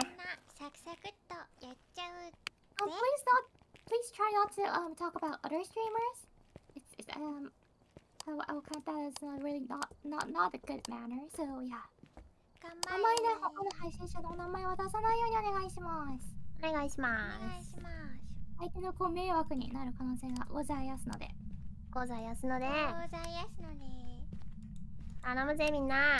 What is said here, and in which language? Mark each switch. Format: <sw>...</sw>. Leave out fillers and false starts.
<ja>みんなサクサクッとやっちゃうぜ。</ja> <en>Oh, please not. Please try not to talk about other streamers. I'll count that as really not a good manner. So yeah.</en> <ja>頑張れ。あまりね、他の配信者のお名前は出さないようにお願いします。お願いします。お願いします。相手のこう迷惑になる可能性がございますので。ございますので。ございますので。頼むぜみんな。</ja>